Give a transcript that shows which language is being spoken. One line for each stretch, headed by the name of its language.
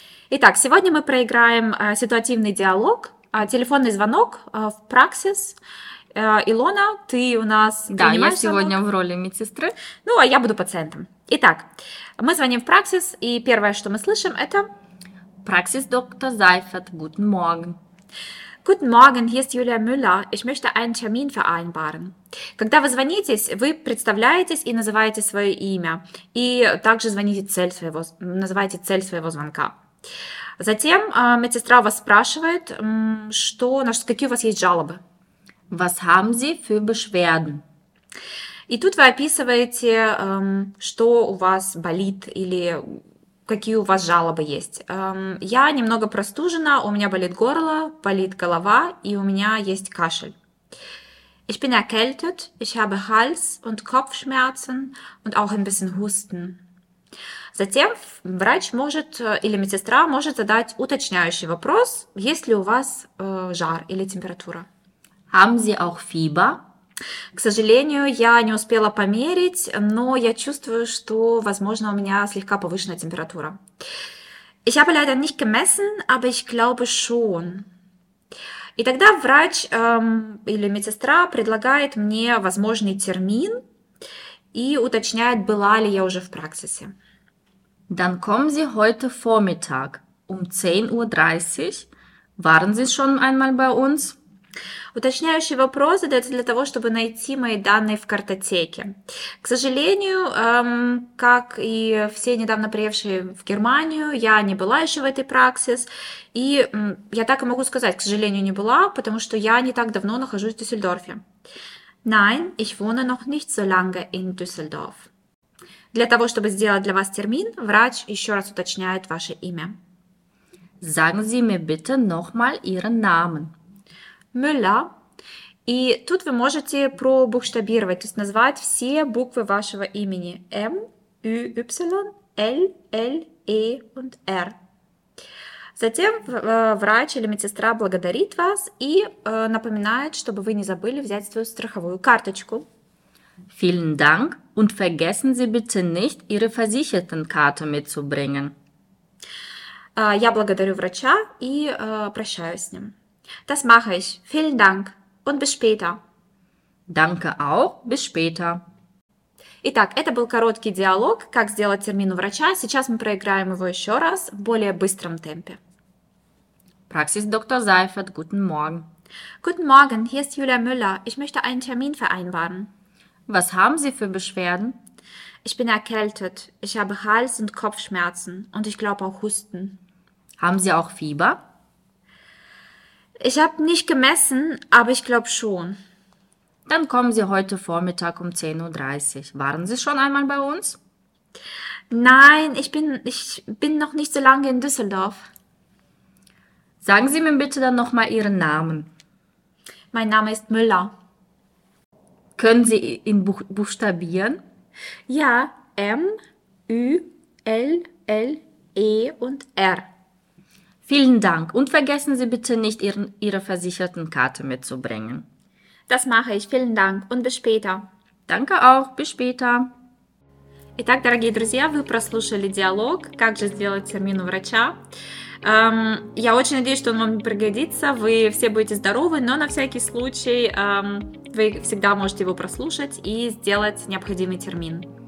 Russian: Итак, сегодня мы проиграем ситуативный диалог, телефонный звонок в Praxis. Илона, ты у нас принимаешь звонок? Да, я сегодня в роли медсестры. Ну, а я буду пациентом. Итак, мы звоним в Praxis, и первое, что мы слышим, это...
German: Praxis Dr. Seifert, guten Morgen. Guten Morgen, hier ist Julia Müller. Ich möchte einen Termin vereinbaren.
Russian: Когда вы звонитесь, вы представляетесь и называете свое имя. И также звоните цель своего, называете цель своего звонка. Затем медсестра вас спрашивает, какие у вас есть жалобы.
German: Was haben Sie für Beschwerden?
Russian: И тут вы описываете, что у вас болит или какие у вас жалобы есть. Я немного простужена, у меня болит горло, болит голова и у меня есть кашель.
German: Ich bin erkältet, ich habe Hals- und Kopfschmerzen und auch ein bisschen Husten.
Russian: Затем врач может или медсестра может задать уточняющий вопрос, есть ли у вас жар или температура.
German: Haben Sie auch Fieber?
Russian: К сожалению, я не успела померить, но я чувствую, что, возможно, у меня слегка повышенная температура.
German: Ich habe leider nicht gemessen, aber ich glaube schon.
Russian: И тогда врач или медсестра предлагает мне возможный термин и уточняет, была ли я уже в Praxis-е.
German: Dann kommen Sie heute Vormittag um 10:30 Uhr. Waren Sie schon einmal bei uns?
Russian: Уточняющий вопрос задается для того, чтобы найти мои данные в картотеке. К сожалению, как и все недавно приехавшие в Германию, я не была еще в этой Praxis. И я так и могу сказать, к сожалению, не была, потому что я не так давно нахожусь в Дюссельдорфе.
German: Nein, ich wohne noch nicht so lange in Düsseldorf.
Russian: Для того, чтобы сделать для вас термин, врач еще раз уточняет ваше имя.
German: Sagen Sie mir bitte nochmal Ihren Namen. Müller.
Russian: И тут вы можете пробуштабировать, то есть назвать все буквы вашего имени.
German: M, U, Y, L, L, E und R.
Russian: Затем врач или медсестра благодарит вас и напоминает, чтобы вы не забыли взять свою страховую карточку.
German: Vielen Dank und vergessen Sie bitte nicht, Ihre Versichertenkarte mitzubringen.
Russian: Я благодарю врача и прощаюсь с ним.
German: Das mache ich. Vielen Dank. Und bis später. Danke auch. Bis später.
Russian: Итак, это был короткий диалог, как сделать термин у врача. Сейчас мы проиграем его еще раз в более быстром темпе.
German: Praxis Dr. Seifert, guten Morgen. Guten Morgen, hier ist Julia Müller. Ich möchte einen Termin vereinbaren. Was haben Sie für Beschwerden? Ich bin erkältet. Ich habe Hals- und Kopfschmerzen. Und ich glaube auch Husten. Haben Sie auch Fieber? Ich habe nicht gemessen, aber ich glaube schon. Dann kommen Sie heute Vormittag um 10.30 Uhr. Waren Sie schon einmal bei uns? Nein, ich bin noch nicht so lange in Düsseldorf. Sagen Sie mir bitte dann nochmal Ihren Namen. Mein Name ist Müller. Können Sie ihn buchstabieren? Ja, M, Ü, L, L, E und R. Vielen Dank und vergessen Sie bitte nicht, Ihre Versichertenkarte mitzubringen. Das mache ich. Vielen Dank und bis später. Danke auch. Bis später.
Russian: Итак, дорогие друзья, вы прослушали диалог «Как же сделать термин у врача?». Я очень надеюсь, что он вам пригодится, вы все будете здоровы, но на всякий случай вы всегда можете его прослушать и сделать необходимый термин.